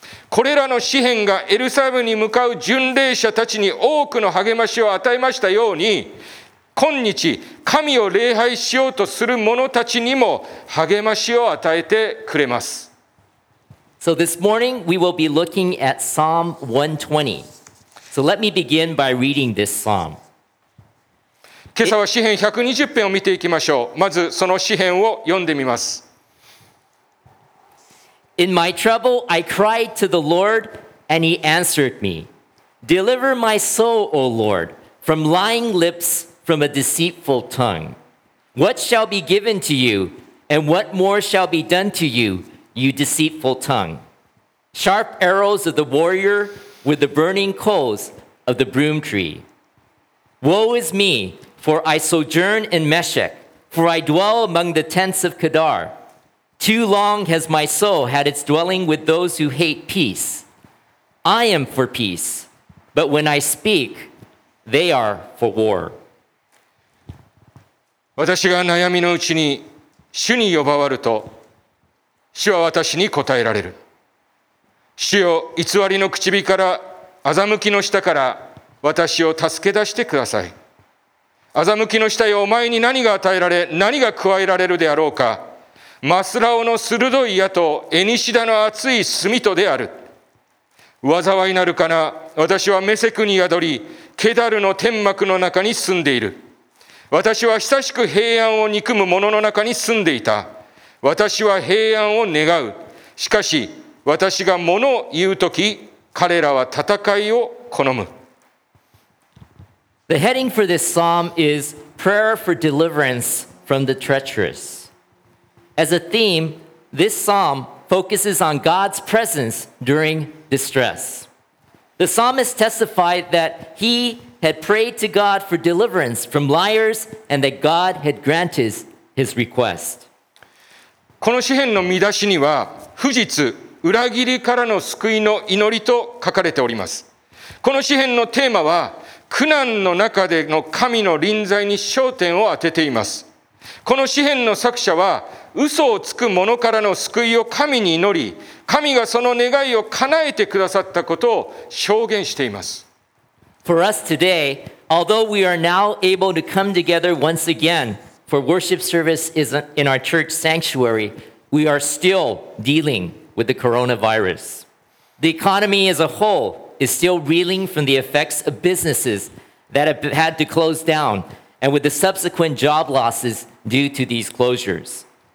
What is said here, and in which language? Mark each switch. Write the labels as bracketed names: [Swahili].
[Japanese] これらの詩編がエルサレムに向かう巡礼者たちに多くの励ましを与えましたように、今日神を礼拝しようとする者たちにも励ましを与えてくれます。 [English] So this morning we will be looking at Psalm 120. So let me begin by reading this psalm. [Japanese] 今朝は詩編120編を見ていきましょう。まずその詩編を読んでみます。 [English] In my trouble, I cried to the Lord, and He answered me. Deliver my soul, O Lord, from lying lips, from a deceitful tongue. What shall be given to you, and what more shall be done to you, you deceitful tongue? Sharp arrows of the warrior with the burning coals of the broom tree. Woe is me, for I sojourn in Meshech, for I dwell among the tents of Kedar. Too long has my soul had its dwelling with those who hate peace. I am for peace, but when I speak, they are for war. [Japanese] 私が悩みのうちに主に呼ばわると、主は私に答えられる。主よ、偽りの唇から欺きの下から私を助け出してください。欺きの下よ、お前に何が与えられ何が加えられるであろうか。マスラオの鋭い矢とエニシダの熱い炭とである。災いなるかな、私はメセクに宿りケダルの天幕の中に住んでいる。私は久しく平安を憎む者の中に住んでいた。私は平安を願う、しかし私が物を言うとき彼らは戦いを好む。 [English] The heading for this psalm is Prayer for Deliverance from the Treacherous. As a theme, this psalm focuses on God's presence during distress. The psalmist testified that he had prayed to God for deliverance from liars and that God had granted his request. [Japanese] この詩篇の見出しには不実、裏切りからの救いの祈りと書かれております。この詩篇のテーマは苦難の中での神の臨在に焦点を当てています。この詩篇の作者は嘘をつく者からの救いを神に祈り、神がその願いを叶えてくださったことを証言しています。 [English] For us today, although we are now able to come together once again for worship service in our church sanctuary, we are still dealing with the coronavirus. The economy as a whole is still reeling from the effects of businesses that have had to close down and with the subsequent job losses due to these closures.